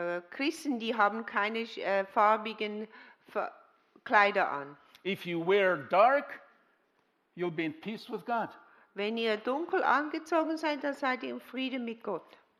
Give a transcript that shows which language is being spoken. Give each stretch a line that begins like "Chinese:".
German: Christen, die haben keine farbigen Kleider an.
English: If you wear dark, you'll be in peace with God.
German: Wenn ihr dunkel angezogen seid, dann seid ihr im Frieden mit Gott.